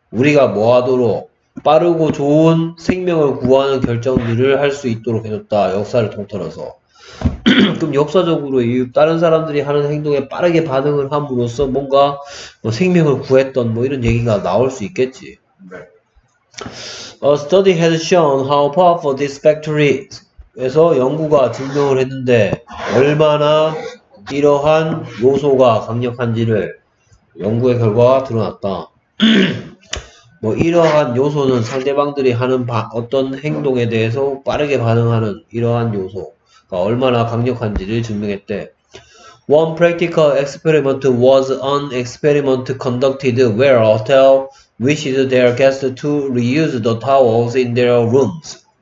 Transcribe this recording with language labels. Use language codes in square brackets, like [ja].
[ko] 우리가 뭐 하도록 빠르고 좋은 생명을 구하는 결정들을 할 수 있도록 해줬다. 역사를 통틀어서. 그럼 역사적으로 다른 사람들이 하는 행동에 빠르게 반응을 함으로써 뭔가 뭐 생명을 구했던 뭐 이런 얘기가 나올 수 있겠지. [en] A study has shown how powerful this factory is. [ko] 에서 연구가 증명을 했는데 얼마나 이러한 요소가 강력한지를 연구의 결과가 드러났다. 뭐 이러한 요소는 상대방들이 하는 어떤 행동에 대해서 빠르게 반응하는 이러한 요소가 얼마나 강력한지를 증명했대. [en] One practical experiment was an experiment conducted where a hotel wished their guests to reuse the towels in their rooms.